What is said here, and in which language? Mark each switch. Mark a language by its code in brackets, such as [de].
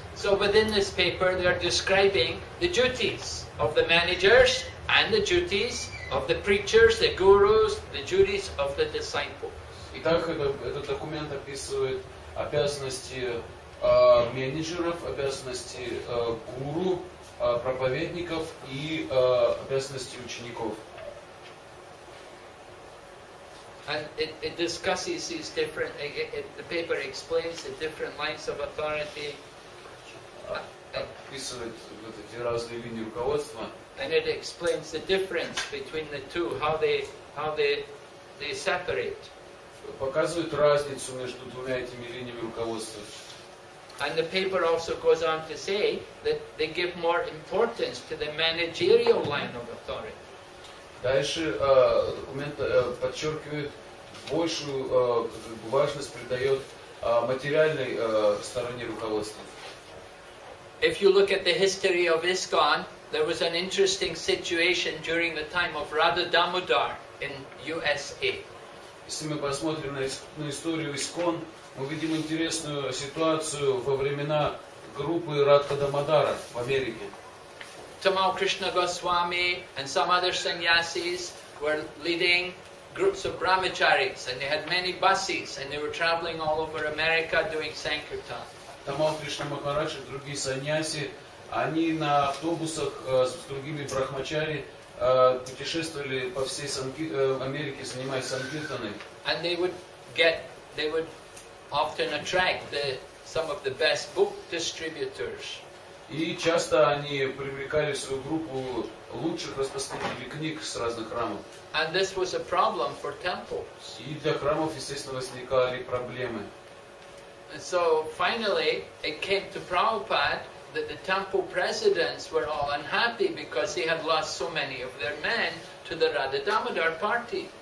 [en] So within this paper, they are describing the duties of the managers and the duties of the preachers, the gurus, the duties of the disciples. [ru] Итак, этот документ описывает обязанности менеджеров, обязанности гуру, проповедников и обязанности учеников. [en] And it discusses these different, the paper explains the different lines of authority. [ru] Описывает вот эти разные линии руководства. [en] And it explains the difference between the two, how they separate. [ru] Показывает разницу между двумя этими линиями руководства. [en] And the paper also goes on to say that they give more importance to the managerial line of authority. [ru] Дальше документ подчеркивает большую важность придает материальной стороне руководства. [en] If you look at the history of ISKCON, there was an interesting situation during the time of Radha Damodar in USA. [ru] Если мы посмотрим на историю ISKCON, мы видим интересную ситуацию во времена группы Радха Дамодара в Америке. [en] Tamal Krishna Goswami and some other sannyasis were leading groups of brahmacharis, and they had many buses, and they were traveling all over America doing sankirtan. [ru] Tamal Krishna Maharaj и другие саньяси, они на автобусах с другими брахмачари путешествовали по всей Америке, занимаясь санкиртаной. [en] And they would often attract some of the best book distributors. [ru] И часто они привлекали в свою группу лучших распространителей книг с разных храмов. [en] And this was a problem for temples. [ru] И для храмов, естественно, возникали проблемы. [en] And so finally it came to Prabhupada that the temple presidents were all unhappy because he had lost so many of their men to the Radha Damodar party.